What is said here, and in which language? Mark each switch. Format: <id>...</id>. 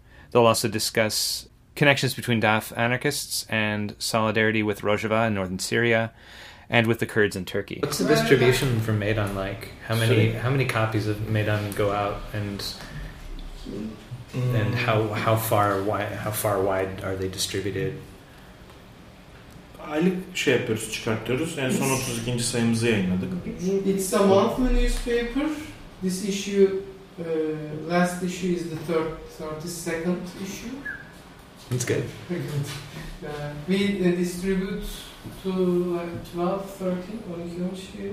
<en>They'll also discuss connections between DAF anarchists and solidarity with Rojava in northern Syria, and with the Kurds in Turkey. What's the distribution for Maidan like? How many copies of Maidan go out, and how far wide are they distributed?</en> <tr>Aylık şey yapıyoruz, çıkartıyoruz. En son 32. sayımızı yayınladık.</tr> <en>It's a monthly newspaper. This issue, last issue is the 32nd issue. That's good. We distribute to like 12, 13, 12 kilometers here.</en>